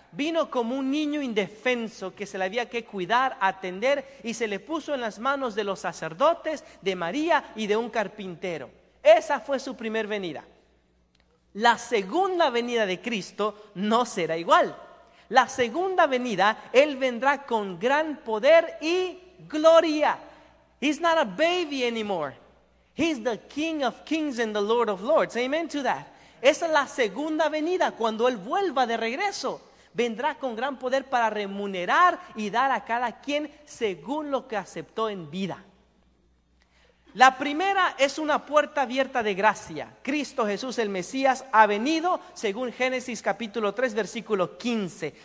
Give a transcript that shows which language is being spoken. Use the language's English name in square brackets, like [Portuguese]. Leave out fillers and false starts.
[Spanish] Vino como un niño indefenso que se le había que cuidar, atender, y se le puso en las manos de los sacerdotes, de María y de un carpintero. Esa fue su primer venida. La segunda venida de Cristo no será igual. La segunda venida, Él vendrá con gran poder y gloria. [English] He's not a baby anymore. He's the King of Kings and the Lord of Lords. Amen to that. [Spanish] Esa es la segunda venida, cuando Él vuelva de regreso. Vendrá con gran poder para remunerar y dar a cada quien según lo que aceptó en vida. La primera es una puerta abierta de gracia. Cristo Jesús el Mesías ha venido según Génesis capítulo 3 versículo 15.